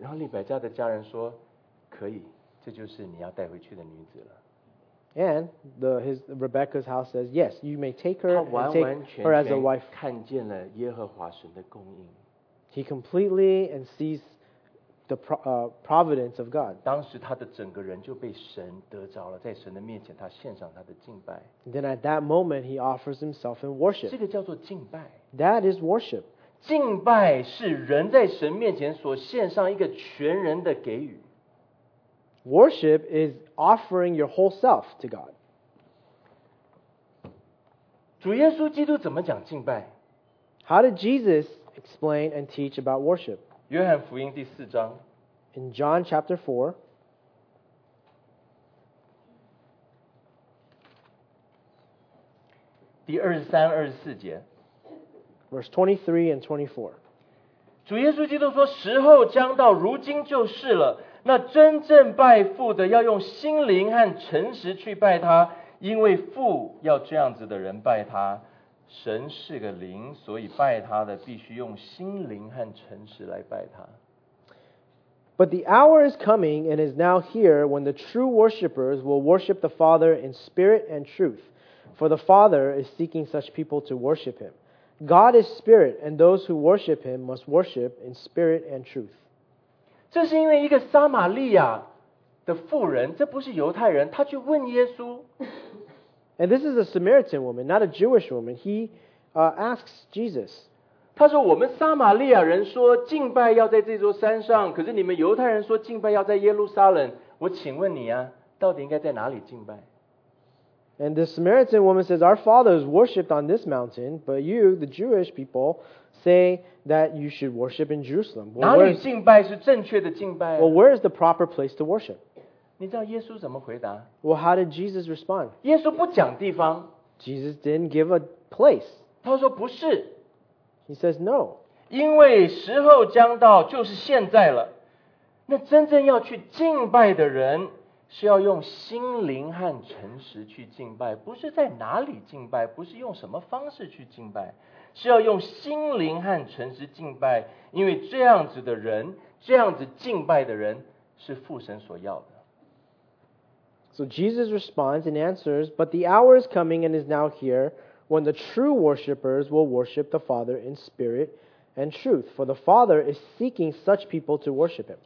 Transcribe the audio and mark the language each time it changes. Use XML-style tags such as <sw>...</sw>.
<zh>然后利百加的家人说, 可以, 这就是你要带回去的女子了。</zh> <en>And Rebecca's house says, yes, you may take her, and take her as a wife.</en> <zh>他完完全全看见了耶和华神的供应。</zh> <en>He completely and sees the providence of God.</en> <zh>当时他的整个人就被神得着了，在神的面前，他献上他的敬拜。</zh> <en>Then at that moment, he offers himself in worship.</en> <zh>这个叫做敬拜。</zh> <en>That is worship.</en> <zh>敬拜是人在神面前所献上一个全人的给予。</zh> <en>Worship is offering your whole self to God.</en> <zh>主耶稣基督怎么讲敬拜？</zh> <en>How did Jesus explain and teach about worship?</en> <zh>约翰福音第四章</zh> <en>In John chapter 4</en> <zh>第23、24节</zh> <en>Verse 23 and 24</en> <zh>主耶稣基督说时候将到如今就是了那真正拜父的要用心灵和诚实去拜他因为父要这样子的人拜他神是个灵，所以拜他的必须用心灵和诚实来拜他。</zh> <en>But the hour is coming and is now here when the true worshippers will worship the Father in spirit and truth. For the Father is seeking such people to worship him. God is spirit, and those who worship him must worship in spirit and truth.</en> <zh>这是因为一个撒玛利亚的妇人，这不是犹太人，他去问耶稣。</zh> <en>And this is a Samaritan woman, not a Jewish woman. He asks Jesus.</en> <zh>他说我们撒玛利亚人说敬拜要在这座山上可是你们犹太人说敬拜要在耶路撒冷我请问你啊到底应该在哪里敬拜</zh> <en>And the Samaritan woman says, Our fathers worshipped on this mountain, but you, the Jewish people, say that you should worship in Jerusalem.</en> <zh>Well, 哪里敬拜是正确的敬拜、啊、</zh> <en>Well, where is the proper place to worship?</en> <zh>你知道耶稣怎么回答</zh> <en>Well, how did Jesus respond?</en> <zh>耶稣不讲地方</zh> <en>Jesus didn't give a place.</en> <zh>他说不是</zh> <en>He says no.</en> <zh>因为时候将到就是现在了那真正要去敬拜的人是要用心灵和诚实去敬拜不是在哪里敬拜不是用什么方式去敬拜是要用心灵和诚实敬拜因为这样子的人这样子敬拜的人是父神所要的</zh> <en>So Jesus responds and answers, But the hour is coming and is now here when the true worshippers will worship the Father in spirit and truth. For the Father is seeking such people to worship him.</en>